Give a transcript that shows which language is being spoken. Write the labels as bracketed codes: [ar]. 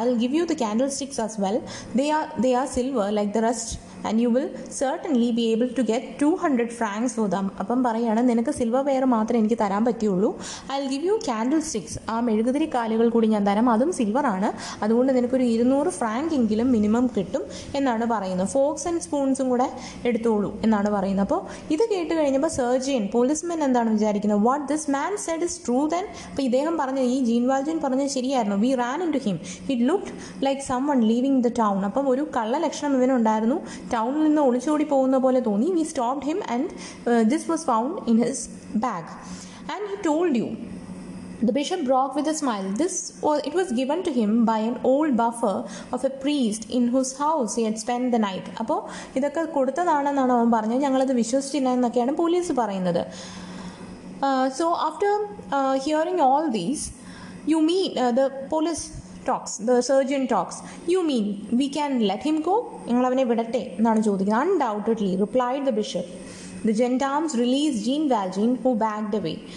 [en] I'll give you the candlesticks as well. They are silver like the rest. And you will certainly be able to get 200 francs for them. [ml] അപ്പം പറയുകയാണ്, നിനക്ക് silver wear മാത്രമേ എനിക്ക് തരാൻ പറ്റുള്ളൂ. [en] I give you candle sticks, [ml] ആ മെഴുകുതിരി കാലുകൾ കൂടി ഞാൻ തരാം, അതും സിൽവറാണ്. അതുകൊണ്ട് നിനക്കൊരു 200 ഫ്രാങ്ക് എങ്കിലും മിനിമം കിട്ടും എന്നാണ് പറയുന്നത്. ഫോക്സ് ആൻഡ് സ്പൂൺസും കൂടെ എടുത്തോളൂ എന്നാണ് പറയുന്നത്. അപ്പോൾ ഇത് കേട്ട് കഴിഞ്ഞപ്പോൾ സെർജിയൻ പോലീസ്മാൻ എന്താണ് വിചാരിക്കുന്നത്? [en] What this man said is true then? [ml] അപ്പോൾ ഇദ്ദേഹം പറഞ്ഞ, ഈ ജീൻ വാൽജിൻ പറഞ്ഞത് ശരിയായിരുന്നു. [en] We ran into him, it look like someone leaving the town. [ml] അപ്പം ഒരു കള്ള ലക്ഷണം ഇവനുണ്ടായിരുന്നു, ടൗണിൽ നിന്ന് ഒളിച്ചോടി പോകുന്ന പോലെ തോന്നി. [en] We stopped him and this was found in his bag and he told you. The bishop broke with a smile, this it was given to him by an old buffer of a priest in whose house he had spend the night. [ml] അപ്പോൾ ഇതൊക്കെ കൊടുത്തതാണെന്നാണ് അവൻ പറഞ്ഞത്, ഞങ്ങളത് വിശ്വസിച്ചില്ല എന്നൊക്കെയാണ് police പറയുന്നത്. [en] So after hearing all these you mean the police talks, the surgeon talks, you mean we can let him go? [ml] ഞങ്ങളവനെ വിടട്ടെ എന്നാണ് ചോദിക്കുന്നത്. [en] Undoubtedly, replied the bishop, the gendarmes released Jean Valjean who backed away.